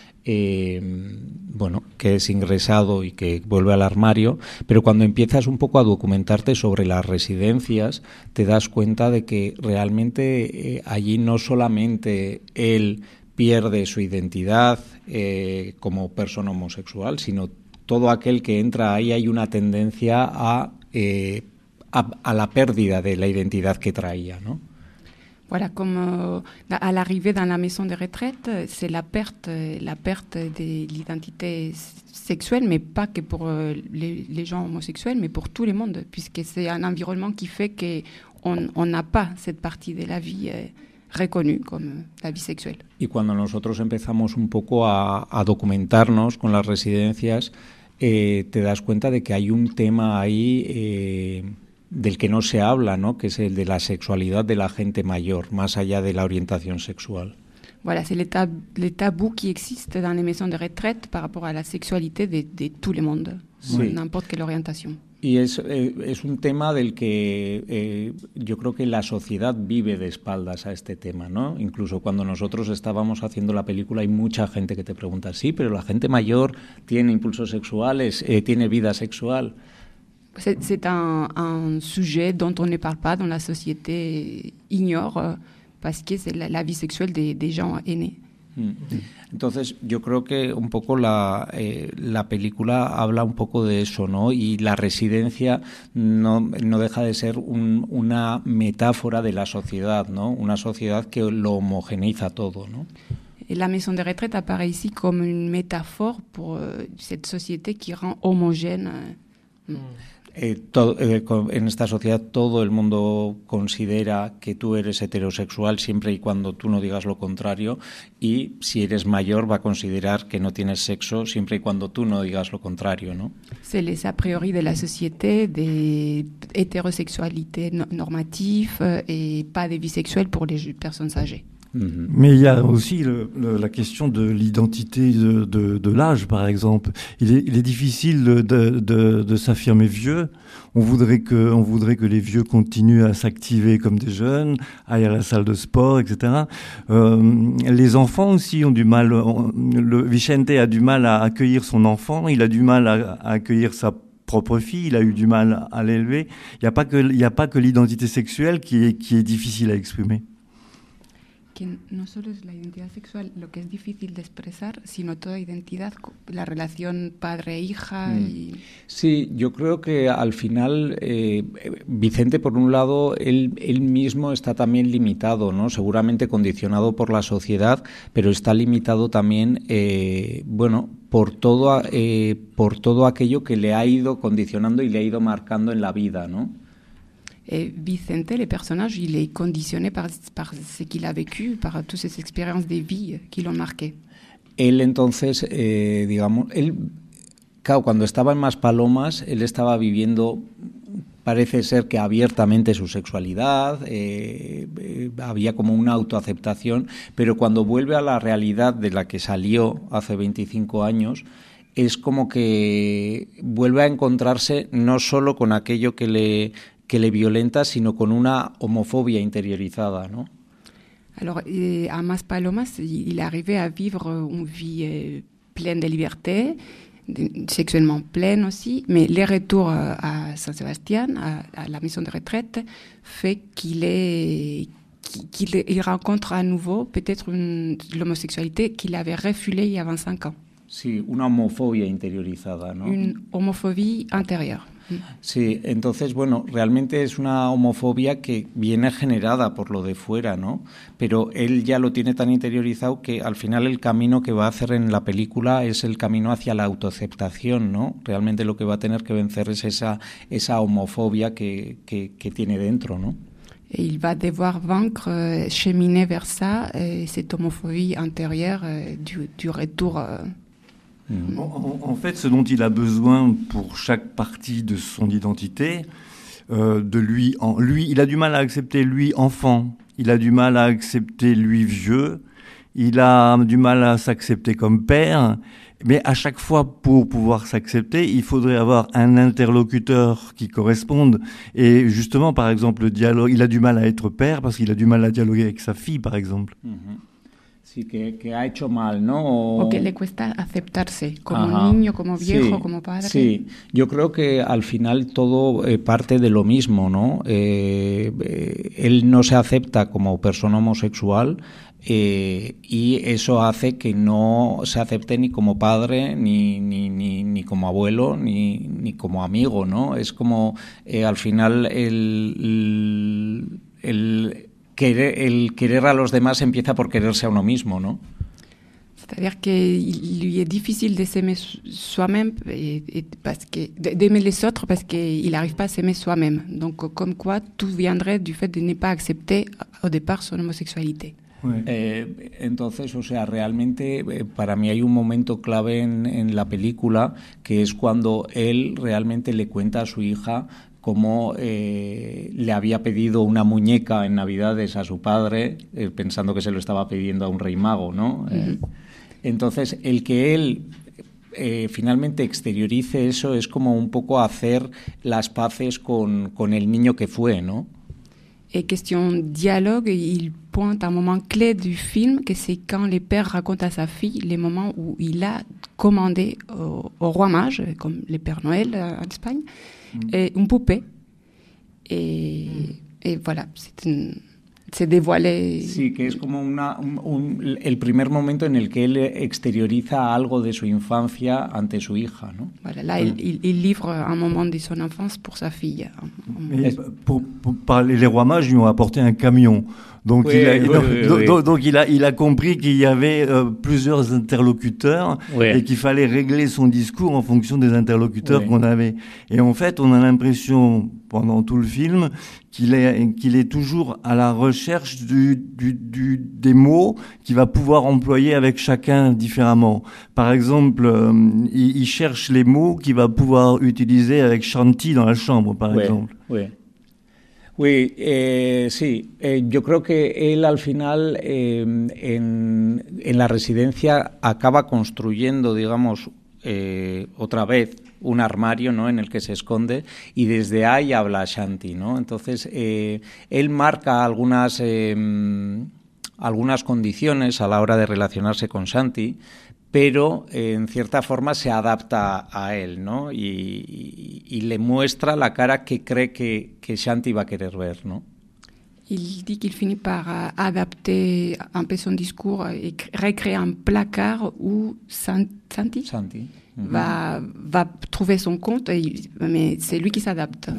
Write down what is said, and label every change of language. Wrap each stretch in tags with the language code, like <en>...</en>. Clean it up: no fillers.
<es>Bueno, que es ingresado y que vuelve al armario, pero cuando empiezas un poco a documentarte sobre las residencias te das cuenta de que realmente allí no solamente él pierde su identidad como persona homosexual, sino todo aquel que entra ahí hay una tendencia a la pérdida de la identidad que traía, ¿no?</es> <fr>Voilà, comme à l'arrivée dans la maison de retraite, c'est la perte de l'identité sexuelle, mais pas que pour les gens homosexuels, mais pour tout le monde, puisque c'est un environnement qui fait que on n'a pas cette partie de la vie reconnue comme la vie sexuelle.</fr> <es>Y cuando nosotros empezamos un poco a documentarnos con las residencias, te das cuenta de que hay un tema ahí del que no se habla, ¿no? Que es el de la sexualidad de la gente mayor, más allá de la orientación sexual.</es> <fr>Voilà, c'est le tabou qui existe dans les maisons de retraite par rapport à la sexualité de tout le monde, sí. N'importe quelle orientation.</fr> <es>Y es un tema del que yo creo que la sociedad vive de espaldas a este tema, ¿no? Incluso cuando nosotros estábamos haciendo la película hay mucha gente que te pregunta, sí, pero la gente mayor tiene impulsos sexuales, tiene vida sexual.</es> <fr>C'est un sujet dont on ne parle pas, dont la société ignore, parce que c'est la vie sexuelle des gens aînés.</fr> <es>Entonces, yo creo que un poco la película habla un poco de eso, ¿no? Y la residencia no deja de ser una metáfora de la sociedad, ¿no? Una sociedad que lo homogeneiza todo, ¿no?</es> <fr>La maison de retraite apparaît ici comme une métaphore pour cette société qui rend homogène.</fr> <es>En esta sociedad todo el mundo considera que tú eres heterosexual siempre y cuando tú no digas lo contrario y si eres mayor va a considerar que no tienes sexo siempre y cuando tú no digas lo contrario, ¿no?</es> <fr>C'est les a priori de la société de hétérosexualité normative et pas de vie sexuelle pour les personnes âgées. Mais il y a aussi la question de l'identité de l'âge, par exemple. Il est difficile de s'affirmer vieux. On voudrait que les vieux continuent à s'activer comme des jeunes, aillent à la salle de sport, etc. Les enfants aussi ont du mal. Vicente a du mal à accueillir son enfant. Il a du mal à accueillir sa propre fille. Il a eu du mal à l'élever. Il n'y a pas que l'identité sexuelle qui est difficile à exprimer.</fr> <es>Que no solo es la identidad sexual lo que es difícil de expresar, sino toda identidad, la relación padre-hija. Y... Sí, yo creo que al final, Vicente, por un lado, él mismo está también limitado, ¿no? Seguramente condicionado por la sociedad, pero está limitado también, por todo aquello que le ha ido condicionando y le ha ido marcando en la vida, ¿no?</es> <fr>Et Vicente, le personnage, il est conditionné par ce qu'il a vécu, par toutes ces expériences de vie qui l'ont marqué.</fr> <es>Él entonces, él, claro, cuando estaba en Maspalomas, él estaba viviendo, parece ser que abiertamente, su sexualidad, había como una autoaceptación, pero cuando vuelve a la realidad de la que salió hace 25 años, es como que vuelve a encontrarse no solo con aquello que le violenta, sino con una homofobia interiorizada, ¿no?</es> <fr>Alors, à Maspalomas, il arrivait à vivre une vie pleine de liberté, sexuellement pleine aussi, mais le retour à Saint-Sébastien, à la maison de retraite, fait qu'il rencontre à nouveau peut-être l'homosexualité qu'il avait refoulée il y a 25 ans.</fr> <es>Sí, una homofobia interiorizada, ¿no? Una homofobia interior. Sí, entonces, bueno, realmente es una homofobia que viene generada por lo de fuera, ¿no? Pero él ya lo tiene tan interiorizado que al final el camino que va a hacer en la película es el camino hacia la autoaceptación, ¿no? Realmente lo que va a tener que vencer es esa homofobia que tiene dentro, ¿no?</es> <fr>Et il va devoir vaincre, cheminer vers ça, cette homophobie intérieure du retour. En fait, ce dont il a besoin pour chaque partie de son identité, il a du mal à accepter lui enfant, il a du mal à accepter lui vieux, il a du mal à s'accepter comme père, mais à chaque fois, pour pouvoir s'accepter, il faudrait avoir un interlocuteur qui corresponde. Et justement, par exemple, le dialogue, il a du mal à être père parce qu'il a du mal à dialoguer avec sa fille, par exemple.</fr> <es>Sí, que ha hecho mal, ¿no? O que le cuesta aceptarse como niño, como viejo, sí, como padre. Sí, yo creo que al final todo parte de lo mismo, ¿no? Él no se acepta como persona homosexual. Y eso hace que no se acepte ni como padre, ni como abuelo, ni como amigo, ¿no? Es como al final el querer a los demás empieza por quererse a uno mismo, ¿no?</es> <fr>C'est-à-dire que lui est difficile de s'aimer soi-même et parce que d'aimer les autres parce qu'il n'arrive pas à s'aimer soi-même. Donc comme quoi tout viendrait du fait de ne pas accepter au départ son homosexualité.</fr> <es>Entonces, o sea, realmente para mí hay un momento clave en la película que es cuando él realmente le cuenta a su hija cómo le había pedido una muñeca en Navidades a su padre, pensando que se lo estaba pidiendo a un rey mago, ¿no? Entonces, el que él finalmente exteriorice eso es como un poco hacer las paces con el niño que fue, ¿no?</es> <fr>Et question dialogue, il pointe un moment clé du film, que c'est quand le père raconte à sa fille les moments où il a commandé au roi mage, comme le Père Noël en Espagne, une poupée. Et voilà, c'est dévoilé.</fr> <es>Sí, que es como el primer momento en el que él exterioriza algo de su infancia ante su hija, ¿no?</es> <fr>Voilà, là, il livre un moment de son enfance pour sa fille. Pour parler, les rois mages lui ont apporté un camion. Donc il a compris qu'il y avait plusieurs interlocuteurs et qu'il fallait régler son discours en fonction des interlocuteurs qu'on avait. Et en fait, on a l'impression pendant tout le film qu'il est toujours à la recherche des mots qu'il va pouvoir employer avec chacun différemment. Par exemple, il cherche les mots qu'il va pouvoir utiliser avec Shanti dans la chambre, par exemple.</fr> <es>Yo creo que él al final en la residencia acaba construyendo, digamos, otra vez un armario, ¿no?, en el que se esconde y desde ahí habla Shanti, ¿no? Entonces, él marca algunas condiciones a la hora de relacionarse con Shanti, pero en cierta forma se adapta a él, ¿no? Y le muestra la cara que cree que Shanti va a querer ver, ¿no?</es> <fr>Il dit qu'il finit par adapter un peu son discours et recréer un placard où Shanti va trouver son compte, mais c'est lui qui s'adapte.</fr>